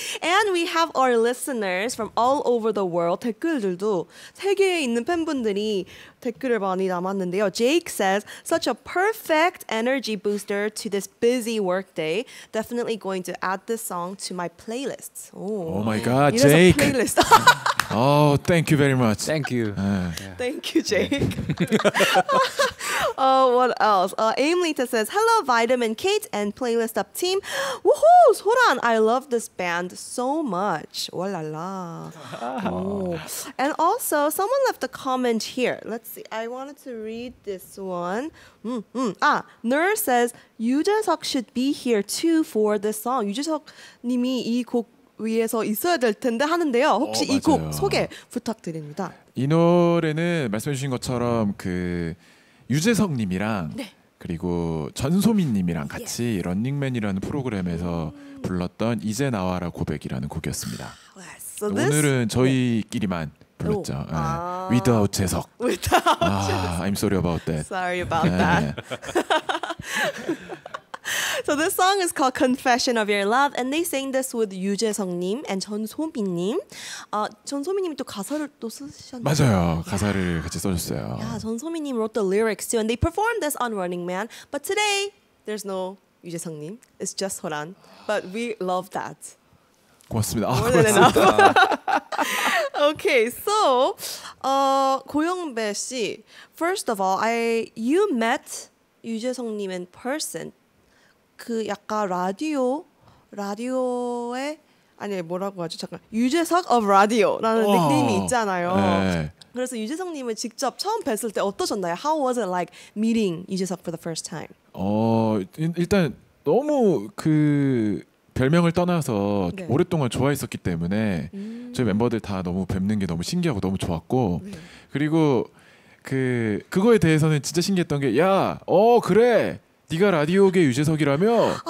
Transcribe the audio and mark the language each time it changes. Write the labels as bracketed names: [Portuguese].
[English] And we have our listeners from all over the world. [Korean] 댓글들도 세계에 있는 팬분들이 댓글을 많이 남았는데요. [English] Jake says, such a perfect energy booster to this busy workday. Definitely going to add this song to my playlist. Oh, oh my God, Jake. It is a playlist. Oh, thank you very much. Thank you. Thank you, Jake. what else? Aimlita says, hello, Vitamin Kate and Playlist Up team. Woohoo! 소란, I love this band so much. Oh, la, la. And also, someone left a comment here. Let's see. I wanted to read this one. Nur says, 유재석 should be here too for this song. [Korean] 유재석님이 이 곡 위에서 있어야 될 텐데 하는데요. 혹시 이 곡 소개 부탁드립니다. 이 노래는 말씀해 주신 것처럼 그 유재석님이랑 네. 그리고 전소민님이랑 같이 예. 런닝맨이라는 프로그램에서 불렀던 이제 나와라 고백이라는 곡이었습니다. [English] So [Korean] 오늘은 저희끼리만 네. 불렀죠. 네. [English] Without [Korean] 재석. [English] I'm sorry about that. Sorry about that. So this song is called Confession of Your Love and they sang this with 유재석님 and 전소민님. [Korean] 전소민님이 또 가사를 또 쓰셨는데 맞아요. 가사를 [English] yeah. [Korean] 같이 써줬어요. [English] Yeah, 전소민님 wrote the lyrics too and they performed this on Running Man. But today, there's no 유재석님. It's just 소란. But we love that. [Korean] 고맙습니다. [English] More than enough. Okay, so 고영배 씨. First of all, you met 유재석님 in person. [Korean] 그 약간 라디오에 아니 뭐라고 하죠? 잠깐 유재석 of 라디오라는 닉네임이 있잖아요. 네. 그래서 유재석님을 직접 처음 뵀을 때 어떠셨나요? [English] How was it like meeting 유재석 for the first time? [Korean] 일단 너무 그 별명을 떠나서 네. 오랫동안 좋아했었기 때문에 저희 멤버들 다 너무 뵙는 게 너무 신기하고 너무 좋았고 그리고 그거에 대해서는 진짜 신기했던 게 야, 그래. 네가 라디오계 유재석이라며